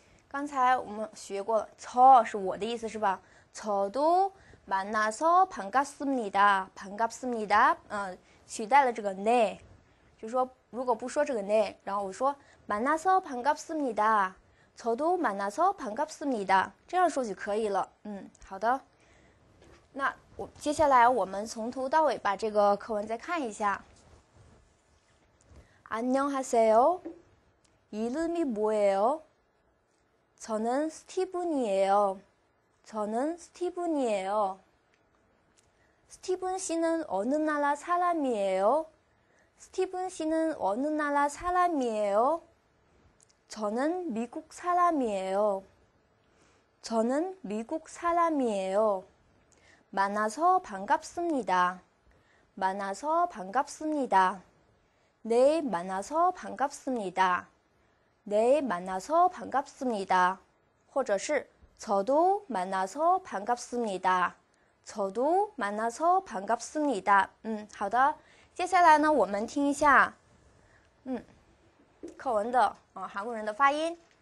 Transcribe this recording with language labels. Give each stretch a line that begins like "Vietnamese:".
Chinese: 刚才我们学过了，저是我的意思是吧？
Korean: 저도만나서반갑습니다，반갑습니다，
Chinese: 取代了这个네，就说。如果不说这个네，然后我说
Korean: 만나서반갑습니다，저도만나서반갑습니다，
Chinese: 这样说就可以了。好的。那我接下来我们从头到尾把这个课文再看一下。
Korean: 안녕하세요，이름이뭐예요？ 저는스티븐이에요，저는스티븐이에요。 스티븐씨는어느나라사람이에요？ 스티븐 씨는 어느 나라 사람이에요？ 저는 미국 사람이에요。 저는 미국 사람이에요。 만나서 반갑습니다。 만나서 반갑습니다。 네，만나서 반갑습니다。 네，만나서 반갑습니다。
Chinese: 或者是
Korean: 저도만나서 반갑습니다。 저도만나서 반갑습니다。
Chinese: 好的。接下来呢，我们听一下，课文的韩国人的发音。